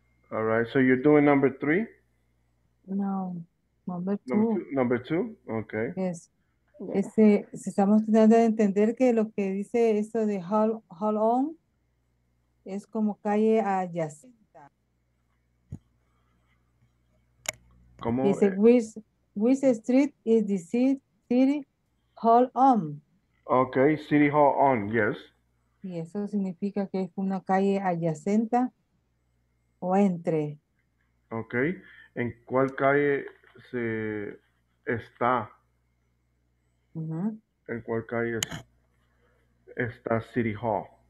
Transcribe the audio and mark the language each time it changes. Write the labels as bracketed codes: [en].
[en] All right, so you're doing number three? No, number two. Number two? Okay. Yes. [es] Si estamos tratando de entender que lo que dice esto de hold on es como calle adyacente. ¿Cómo? Dice, [en] which street is the city hold on? Okay, city hall on, yes. [es] Y eso significa que es una calle adyacente o entre. Okay, ¿en cuál calle se está? Uh-huh. ¿En cuál calle está City Hall?